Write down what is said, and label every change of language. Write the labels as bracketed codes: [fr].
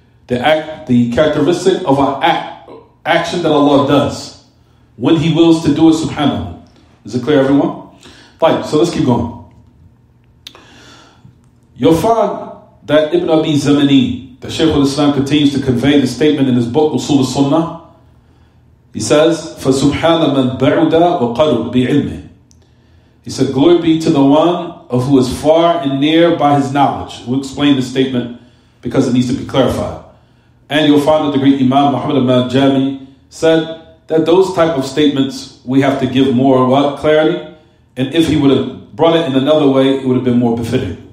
[en] The act, the characteristic of an act, action that Allah does. When He wills to do it, subhanahu. Is it clear, everyone? Fine. So let's keep going. You'll find that Ibn Abi Zamani, the Shaykh al-Islam, continues to convey the statement in his book, Usul al-Sunnah. He says, [ar] فَسُبْحَانَ مَنْ بَعُدَ وَقَرُبْ بِعِلْمِهِ. [en] He said, glory be to the one of who is far and near by his knowledge. We'll explain the statement because it needs to be clarified. And you'll find that the great Imam Muhammad ibn Jami said that those type of statements we have to give more what? Clarity. And if he would have brought it in another way, it would have been more befitting.